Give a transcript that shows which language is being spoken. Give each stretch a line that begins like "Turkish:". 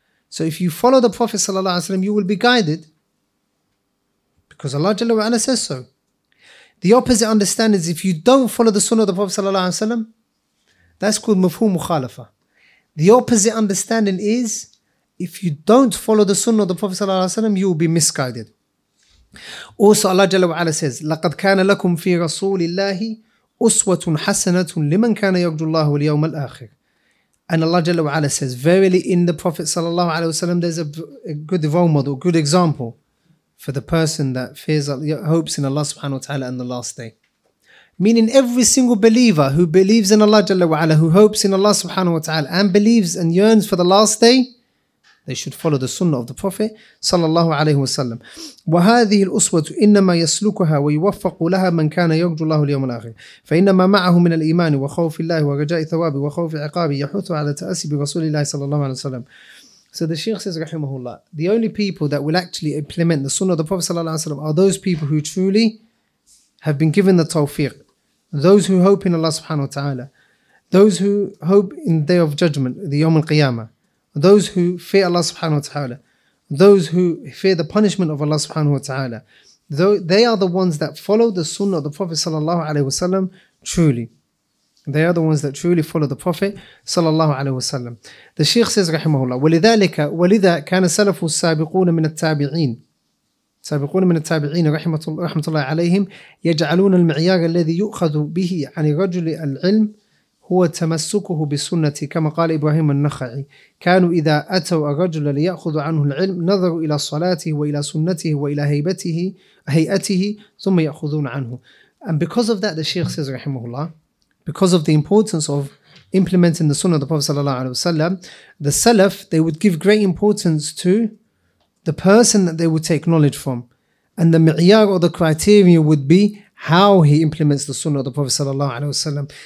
English: So if you follow the Prophet sallallahu alaihi wasallam, you will be guided, because Allah Jalla wa Ala says so. The opposite understanding is if you don't follow the Sunnah of the Prophet sallallahu alaihi wasallam, that's called mafhum mukhalafa. The opposite understanding is if you don't follow the Sunnah of the Prophet sallallahu alaihi wasallam, you will be misguided. Also Allah Jalla wa Ala says,
Arabic: لَقَدْ كَانَ لَكُمْ فِي رَسُولِ اللَّهِ أُسْوَةٌ حَسَنَةٌ لِمَنْ كَانَ يَرْجُ اللَّهُ الْيَوْمَ الْآخِرِ.
English: And Allah Jalla wa Ala says, verily in the Prophet sallallahu alaihi wasallam, there's a good role model, good example for the person that fears, hopes in Allah subhanahu wa ta'ala and the last day. Meaning every single believer who believes in Allah Jalla wa Ala, who hopes in Allah subhanahu wa ta'ala and believes and yearns for the last day, they should follow the sunnah of the Prophet sallallahu alaihi wasallam.
Arabic: وهذه الأسوة إنما يسلكها ويوفق لها من كان يرجو الله اليوم الآخر. فإنما معه من الإيمان وخوف الله ورجاء ثوابه وخوف عقابه يحث على تأسي برسول الله صلى الله عليه وسلم.
English: So the Shaykh says, rahimahullah, the only people that will actually implement the Sunnah of the Prophet sallallahu alaihi wasallam are those people who truly have been given the tawfiq, those who hope in Allah subhanahu wa ta'ala, those who hope in the Day of Judgment, the Yawm al-Qiyamah, those who fear Allah subhanahu wa ta'ala, those who fear the punishment of Allah subhanahu wa ta'ala. They are the ones that follow the Sunnah of the Prophet sallallahu alaihi wasallam truly. They are the ones that truly follow the Prophet sallallahu alaihi wasallam. The Shaykh says, rahimahullah,
Arabic: وَلِذَلِكَ وَلِذَا كَانَ سَلَفُ السَّابِقُونَ مِنَ التَّابِعِينَ سَابِقُونَ مِنَ التَّابِعِينَ رَحْمَةُ اللَّهِ عَلَيْهِمْ يَجْعَلُونَ الْمِعْيَارَ الَّذِي يُؤْخَذُ بِهِ عَنِ الرَّجُلِ الْعِلْمِ هُوَ تَمَسُّكُهُ بِالسُّنَّةِ كَمَا قَالَ إِبْرَاهِيمُ النَّخَعِي كَانُوا إِذَا أَتَوْا الرَّجُلَ لِيَأْخُذُوا عَنْهُ الْعِلْمَ نَظَرُوا إِلَى صَلَاتِهِ وَإِلَى سُنَّتِهِ وَإِلَى هَيْئَتِهِ ثُمَّ يَأْخُذُونَ عَنْهُ.
English: And because of that, the Shaykh says, rahimahullah, because of the importance of implementing the Sunnah of the Prophet sallallahu alaihi wasallam, the Salaf, they would give great importance to the person that they would take knowledge from. And the mi'yar or the criteria would be how he implements the Sunnah of the Prophet sallallahu alaihi wasallam.